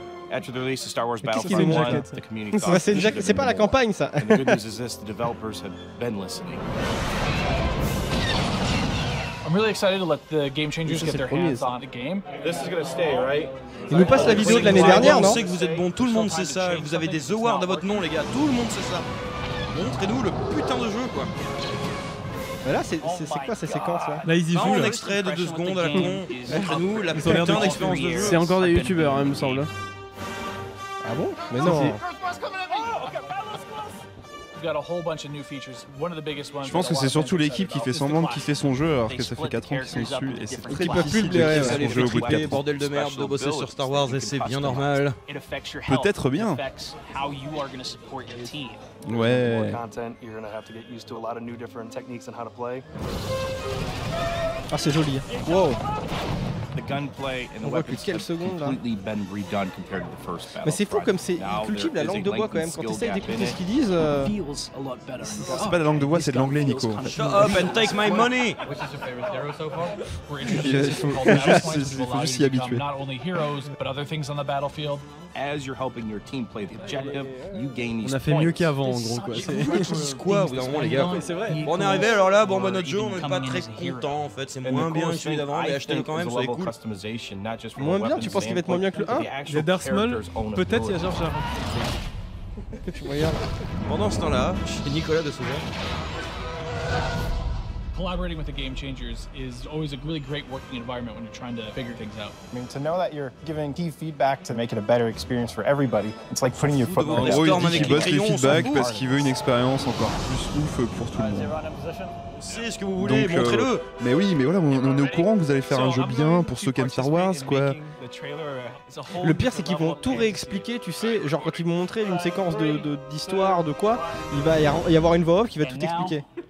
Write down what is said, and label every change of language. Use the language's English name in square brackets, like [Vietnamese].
[English] After the release of Star Wars Battlefront 1, the community thought [French] c'est, [English] jacket, [French] c'est pas la campagne, ça. [English] And the good news is this, the developers have been listening. I'm really excited to let the game changers get their hands on the game. This is going to stay, right? [French] Ils nous passent la vidéo de l'année dernière, non? On sait que vous êtes bons, tout le monde sait ça. Vous avez des awards à votre nom, les gars. Tout le monde sait ça. Montrez-nous le putain de jeu, quoi. Mais là, c'est quoi ces séquences là? Là, ils y jouent. Un extrait de 2 secondes à la con. Montrez-nous la putain d'expérience de jeu. C'est encore des youtubeurs, il me semble. Ah bon? Mais non. Je pense que c'est surtout l'équipe qui fait semblant de kiffer son jeu alors que ça fait 4 ans qu'ils sont dessus et c'est très difficile de kiffer son jeu au bout de 4 ans. Bordel de merde de bosser sur Star Wars et c'est bien normal. Peut-être bien. Ouais. Ah c'est joli. Wow. [English] The gunplay and the weapons have completely been redone compared to the first battle. [French] Mais c'est fou comme c'est cultive la langue de bois quand même. Quand t'essayes d'écouter ce qu'ils disent, c'est pas la langue de bois, c'est de l'anglais, Nico. [English] Shut up and take my money. [French] Il faut juste s'y habituer. [English] Not only heroes, but other things on the battlefield. As you're helping your team play the objective, you gain these points. [French] On a fait mieux qu'avant, en gros, quoi. C'est quoi, au bout d'un moment, les gars? C'est vrai. Bon, on est arrivé, alors là, bon, bah, notre jeu, on est pas très content, en fait. C'est moins bien que celui d'avant, mais achetez-le quand même, c'est cool. Moins bien? Tu penses qu'il va être moins bien que le 1? Le Darth Maul? Peut-être, il y a Jar Jar. Tu me regardes. Pendant ce temps-là, chez Nicolas de Souza. [English] Collaborating with the game changers is always a really great working environment when you're trying to figure things out. I mean, to know that you're giving key feedback to make it a better experience for everybody, it's like putting your foot in the ground. [French] Il dit qu'il bosse les feedbacks parce qu'il veut une expérience encore plus ouf pour tout le monde. C'est ce que vous voulez, donc, montrez-le. Mais oui, mais voilà, on est au courant que vous allez faire un jeu bien pour ceux qui aiment Star Wars, quoi. Le pire, c'est qu'ils vont tout réexpliquer, tu sais, genre quand ils vont montrer une séquence d'histoire, de quoi, il va y avoir une voix off qui va tout expliquer.